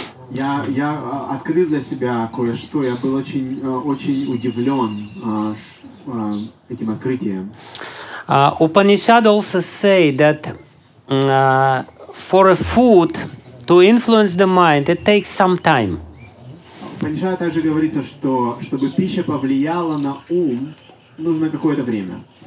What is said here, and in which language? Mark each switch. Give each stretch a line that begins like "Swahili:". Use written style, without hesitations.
Russian: Я открыл для себя кое-что. Я был очень удивлен этим открытием.
English: Upanishad also say that for a food to influence the mind, it takes some time.
Russian: Upanishad также говорится, что чтобы пища повлияла на ум, нужно какое-то время.